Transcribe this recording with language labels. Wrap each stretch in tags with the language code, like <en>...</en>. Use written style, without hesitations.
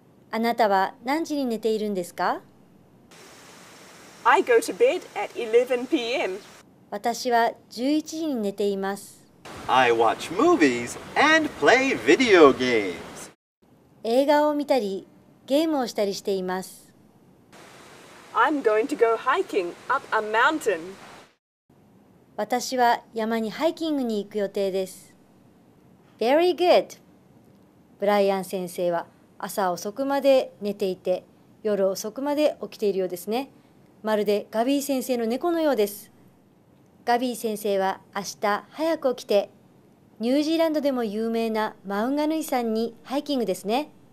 <ja>あなたは何時に寝ているんですか?</ja> <en>I go to bed at 11 p.m.</en> <ja>私は11時に寝ています。</ja> <en>I watch movies and play video games.</en> <ja>映画を見たり、ゲームをしたりしています。</ja> <en>I'm going to go hiking up a mountain.</en> <ja>私は山にハイキングに行く予定です。</ja> <en>Very good!</en> <ja>ブライアン先生は朝遅くまで寝ていて、夜遅くまで起きているようですね。まるでガビー先生の猫のようです。ガビー先生は明日早く起きて、ニュージーランドでも有名なマウンガヌイ山にハイキングですね。</ja>